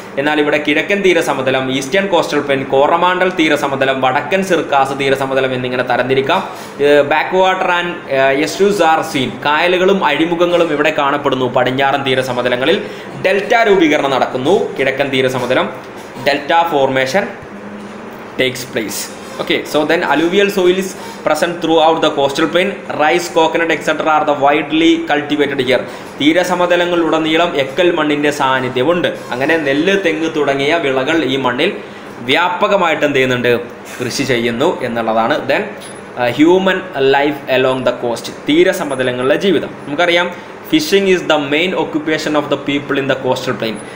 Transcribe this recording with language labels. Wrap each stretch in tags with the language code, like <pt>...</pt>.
<ml>എന്നാൽ ഇവിടെ കിഴക്കൻ തീരസമതലം, ഈസ്റ്റേൺ കോസ്റ്റൽ പ്ലെയിൻ, കോറമാണ്ടൽ തീരസമതലം, വടക്കൻ സിർക്കാസ് തീരസമതലം എന്നിങ്ങനെ തരംതിരിക്കാം.</ml> <en>back water and estuaries are seen,</en> <ml>കായലുകളും അഴിമുഖങ്ങളും ഇവിടെ കാണപ്പെടുന്നു പടിഞ്ഞാറൻ തീരസമതലങ്ങളിൽ. ഡെൽറ്റ രൂപീകരണം നടക്കുന്നു കിഴക്കൻ തീരസമതലം,</ml> <en>Delta formation takes place. Okay, so then alluvial soil is present throughout the coastal plain. Rice, coconut, etc. are the widely cultivated here.</en> <ml>തീരസമതലങ്ങളിലുടനീളം എക്കൽ മണ്ണിൻ്റെ സാന്നിധ്യമുണ്ട്. അങ്ങനെ നെല്ല്, തെങ്ങ് തുടങ്ങിയ വിളകൾ ഈ മണ്ണിൽ വ്യാപകമായിട്ട് എന്ത് ചെയ്യുന്നുണ്ട്, കൃഷി ചെയ്യുന്നു എന്നുള്ളതാണ്.</ml> <en>then human life along the coast,</en> <ml>തീരസമതലങ്ങളിലെ ജീവിതം. നമുക്കറിയാം</ml> <en>Fishing is the main occupation of the people in the coastal plain.</en>